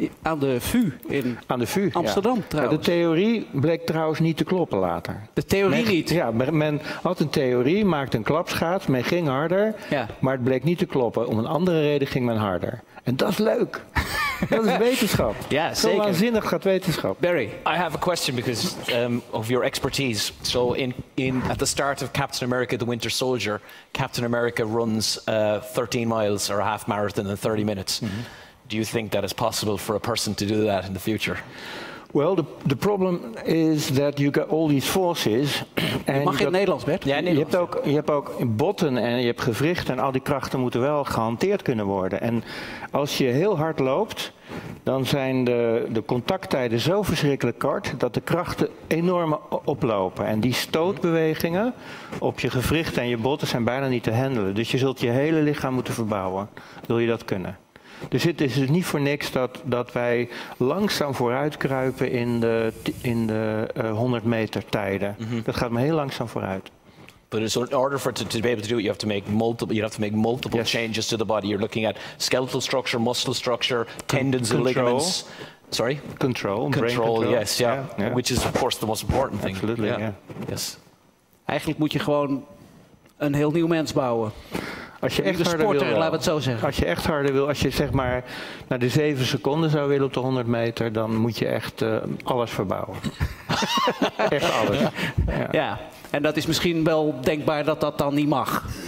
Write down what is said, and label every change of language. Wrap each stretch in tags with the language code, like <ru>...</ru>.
<nl>Aan de VU in Amsterdam trouwens. Ja, de theorie bleek trouwens niet te kloppen later. De theorie niet? Ja, men had een theorie, maakte een klapschaats, men ging harder, maar het bleek niet te kloppen. Om een andere reden ging men harder. En dat is leuk. Dat is wetenschap. Ja, zeker. Zo waanzinnig gaat wetenschap.</nl> <en>Barry, I have a question because of your expertise. So in at the start of Captain America, the Winter Soldier, Captain America runs 13 miles or a half marathon in 30 minutes. Mm-hmm. Do you think that is possible for a person to do that in the future? Well, the problem is that you got all these forces.</en> <nl>And mag je in Nederlands, Bert? Ja, Nederlands. Je hebt ook botten en je hebt gewrichten en al die krachten moeten wel gehanteerd kunnen worden. En als je heel hard loopt, dan zijn de contacttijden zo verschrikkelijk kort dat de krachten enorm oplopen. En die stootbewegingen op je gewrichten en je botten zijn bijna niet te handelen. Dus je zult je hele lichaam moeten verbouwen, wil je dat kunnen. Dus het is dus niet voor niks dat wij langzaam vooruit kruipen in de 100 meter tijden. Mm-hmm. Dat gaat me heel langzaam vooruit.</nl> <en>But so in order for to be able to do it, you have to make multiple yes. changes to the body. You're looking at skeletal structure, muscle structure, tendons control. And ligaments. Sorry? Control, brain control. Yes, yeah. Which is of course the most important thing. Absolutely, Yes.</en> <nl>Eigenlijk moet je gewoon een heel nieuw mens bouwen. Als je echt harder sporter, wil, laat het zo zeggen. Als je echt harder wil, als je zeg maar naar de 7 seconden zou willen op de 100 meter, dan moet je echt alles verbouwen. Echt alles. Ja, en dat is misschien wel denkbaar dat dan niet mag.</nl>